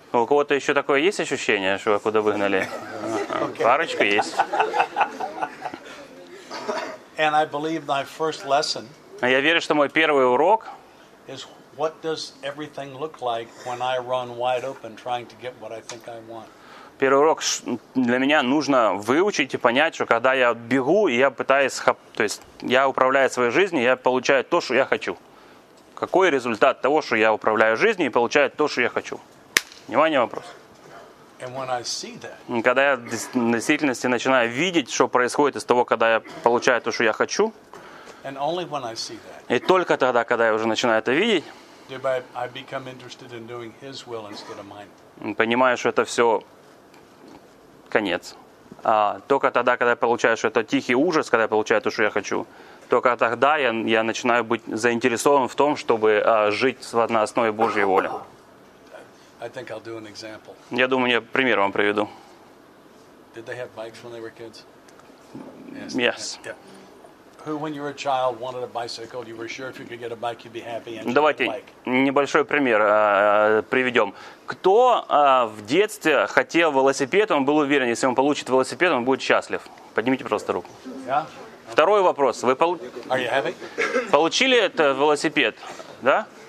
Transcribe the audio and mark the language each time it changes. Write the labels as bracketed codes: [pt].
[ru] У кого-то еще такое есть ощущение, что куда выгнали? Okay. Парочка есть. [en] And I believe my first lesson. [ru] Я верю, что мой первый урок. [en] What does everything look like when I run wide open trying to get what I think I want? [ru] Первый урок для меня нужно выучить и понять, что когда я бегу, и я пытаюсь, то есть я управляю своей жизнью, я получаю то, что я хочу. Какой результат того, что я управляю жизнью и получаю то, что я хочу? Внимание, вопрос. [en] And when I see that, [ru] когда я в действительности начинаю видеть, что происходит из того, когда я получаю то, что я хочу, [en] and only when I see that, [ru] и только тогда, когда я уже начинаю это видеть, [en] I become interested in doing his will instead of mine. [ru] Понимаю, что это все конец. Только тогда, когда я получаю, что это тихий ужас, когда я получаю то, что я хочу, только тогда я начинаю быть заинтересован в том, чтобы жить на основе Божьей воли. [en] I think I'll do an example. [ru] Я думаю, я пример вам приведу. [en] Did they have bikes when they were kids? Yes. Who, when you were a child, wanted a bicycle? You were sure if you could get a bike, you'd be happy. [ru] Давайте небольшой пример приведем. Кто в детстве хотел велосипед, он был уверен, если он получит велосипед, он будет счастлив. Поднимите просто руку. [en] Yeah? [ru] Второй вопрос. Вы получили это велосипед, да?